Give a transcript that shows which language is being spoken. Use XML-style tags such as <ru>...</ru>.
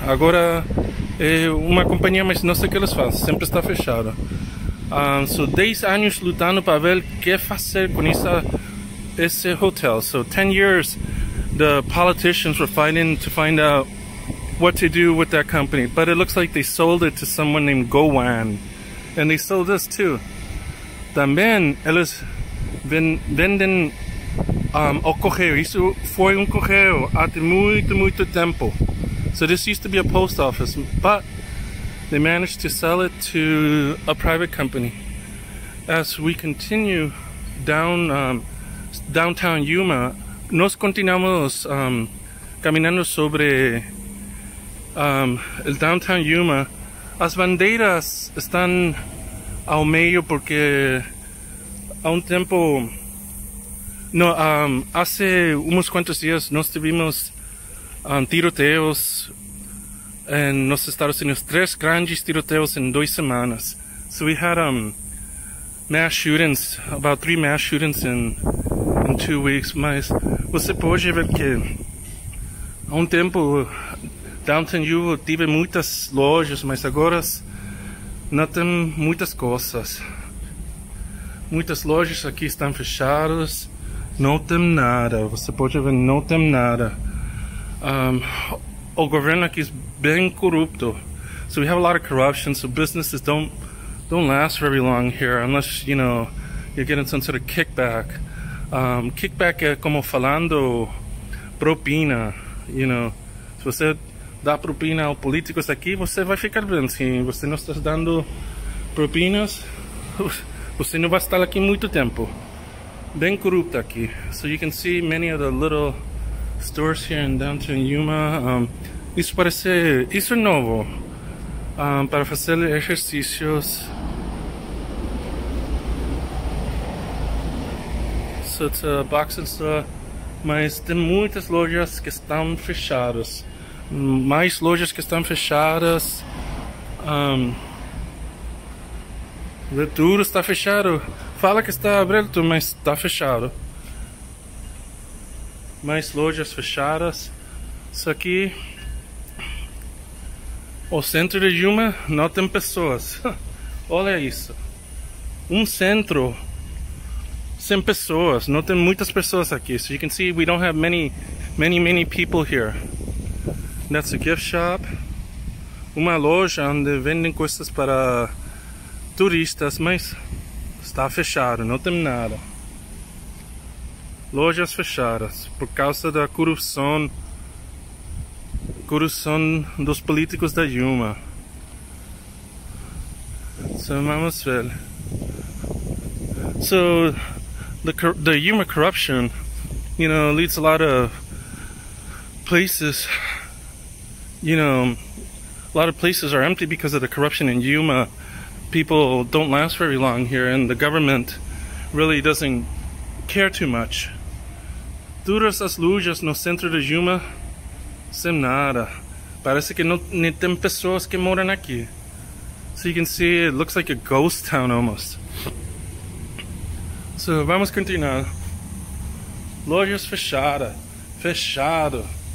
<pt>Agora é uma companhia, mas não sei o que eles fazem, sempre está fechado. So 10 anos lutando para ver o que fazer com esse hotel.</pt> <en>So 10 years the politicians were fighting to find out what to do with that company, but it looks like they sold it to someone named Gowan, and they sold this too.</en> <pt>Também eles vendem o correio. Isso foi correio até muito tempo.</pt> <en>So this used to be a post office, but they managed to sell it to a private company. As we continue down downtown Yuma,</en> <es>nos continuamos caminando sobre el downtown Yuma.</es> <pt>As bandeiras</pt> <es>están ao meio porque há tempo, no, hace unos cuantos días nos tuvimos tiroteos en los Estados Unidos, 3 grandes tiroteos en 2 semanas.</es> <en>So we had mass shootings, about 3 mass shootings in 2 weeks.</en> <pt>Mas você pode ver que há tempo downtown eu tive muitas lojas, mas agora não tem muitas coisas. Muitas lojas aqui estão fechadas, não tem nada. Você pode ver, não tem nada. O governo aqui é bem corrupto.</pt> <en>So we have a lot of corruption, so businesses don't last very long here unless, you know, you're getting some sort of kickback.</en> <pt>Kickback é como falando propina,</pt> <en>you know.</en> <pt>Se você dá propina aos políticos aqui, você vai ficar bem. Se você não está dando propinas, você não vai estar aqui muito tempo. Bem corrupto aqui.</pt> <en>So you can see many of the little stores here in downtown Yuma.</en> <pt>Isso parece... Isso é novo. Para fazer exercícios.</pt> <en>So it's a boxing store.</en> <pt>Mas tem muitas lojas que estão fechadas. Mais lojas que estão fechadas. Tudo está fechado. Fala que está aberto, mas está fechado. Mais lojas fechadas. Isso aqui, o centro de Yuma, não tem pessoas. Olha isso. Centro sem pessoas. Não tem muitas pessoas aqui.</pt> <en>So you can see we don't have many people here. That's a gift shop.</en> <pt>Uma loja onde vendem coisas para turistas, mas está fechado, não tem nada. Lojas fechadas por causa da corrupção dos políticos da Yuma. So vamos ver.</pt> <en>So the Yuma corruption, you know, leads a lot of places, you know, a lot of places are empty because of the corruption in Yuma. People don't last very long here, and the government really doesn't care too much.</en> <pt>Todas as lojas no centro de Yuma sem nada. Parece que não tem pessoas que moram aqui.</pt> <en>So you can see it looks like a ghost town almost. So</en> <pt>vamos continuar. Lojas fechadas. Fechado.</pt>